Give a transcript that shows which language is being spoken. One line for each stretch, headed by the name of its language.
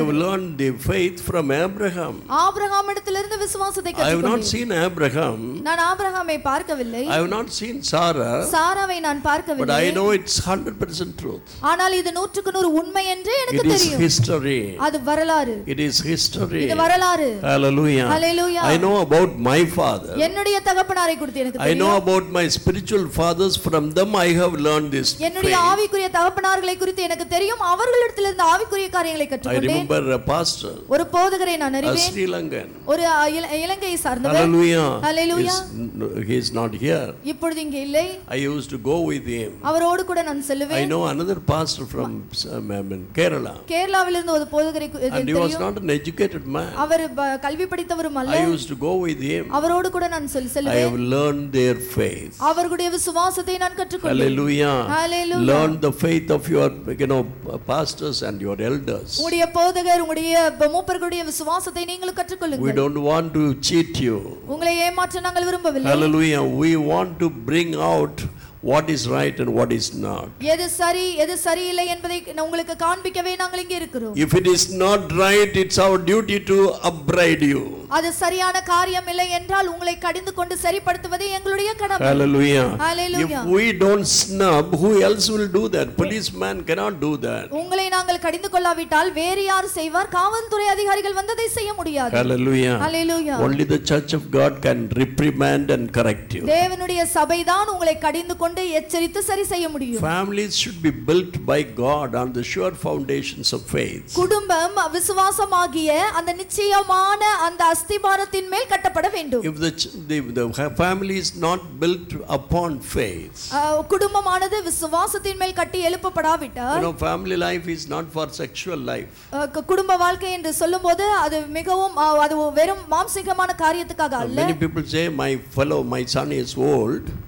English: I have learned the faith from Abraham
Tamil: ஆபிரகாமிடத்திலிருந்து விசுவாசத்தை கற்றுக்கொண்டேன்
English: I have not seen Abraham
Tamil: நான் ஆபிரகாமை பார்க்கவில்லை
English: I have not seen Sarah
Tamil: சாராவை நான் பார்க்கவில்லை
English: But I know it's 100% truth
Tamil: ஆனால் இது 100%க்கு 100 உண்மை என்று எனக்கு தெரியும்
English: It is history
Tamil: அது வரலாறு
English: It is history
Tamil: வரலாறு
English: Hallelujah Hallelujah I know about my father
Tamil: என்னுடைய தகப்பனாரை குறித்து எனக்கு தெரியும்
English: I know about my spiritual fathers from them I have learned this
Tamil: என்னுடைய ஆவிக்குரிய தகப்பனார்களை குறித்து எனக்கு தெரியும் அவர்களிடத்திலிருந்து ஆவிக்குரிய காரியங்களை கற்றுக்கொண்டேன்
English: I remember a pastor
Tamil: ஒரு போதகரை நான் அறிவேன்
English: Sri Lankan
Tamil: ஒரு இலங்கையை சார்ந்தவர்
English: Hallelujah Hallelujah he is not here
Tamil: இப்பொழுது இங்கே இல்லை
English: I used to go with him
Tamil: அவரோடு கூட நான் செல்வேன்
English: I know another pastor from Kerala
Tamil: கேரளாவிலிருந்து ஒரு போதகரை தெரியும்
English: and he was not an educated
Tamil: அவர் கல்வி படித்தவரும் அல்ல
English: I used to go with him
Tamil: அவரோடு கூட நான் செல்வேன்
English: I have learned their faith
Tamil: அவருடைய விசுவாசத்தை நான் கற்றுக்கொண்டேன் Hallelujah
English: Hallelujah learn the faith of your you know pastors and your elders
Tamil: உங்களுடைய போதகர் உங்களுடைய மூப்பர்களுடைய விசுவாசத்தை நீங்கள் கற்றுக்கொள்ளுங்கள்
English: We don't want to cheat you
Tamil: உங்களை ஏமாற்ற நாங்கள் விரும்பவில்லை
English: Hallelujah we want to bring out what is right and what is not
Tamil: எது சரி இல்லை என்பதை உங்களுக்கு காண்பிக்கவே நாங்கள் இங்கே இருக்கிறோம்
English: if it is not right it's our duty to upbraid you
Tamil: அது சரியான காரியம் இல்லை என்றால் உங்களை கடிந்து கொண்டு சரிப்படுத்துவதே எங்களுடைய கடமை.
English: Hallelujah hallelujah if we don't snub who else will do that? Policeman cannot do that.
Tamil: உங்களை நாங்கள் கடிந்து கொள்ளாவிட்டால் வேறு யார் செய்வார்? காவல் துறை அதிகாரிகள் வந்ததை செய்ய முடியாது.
English: Hallelujah hallelujah only the church of god can reprimand and correct you.
Tamil: தேவனுடைய சபைதான் உங்களை கடிந்து கொண்டு எச்சரித்து சரி செய்ய முடியும்.
English: Families should be built by god on the sure foundations of faith.
Tamil: குடும்பம் விசுவாசமாகிய அந்த நிச்சயமான அந்த அஸ்திபாரத்தின் மேல் கட்டப்பட வேண்டும்.
English: If the family is not built upon faith.
Tamil: குடும்பமானது விசுவாசத்தின் மேல் கட்டி எழுப்பப்படாவிட்டால்,
English: you know, family life is not for sexual life.
Tamil: குடும்ப வாழ்க்கை என்று சொல்லும்போது அது மிகவும் அது வெறும் மாம்சிகமான காரியத்துக்காக அல்ல.
English: Many people say my son is old.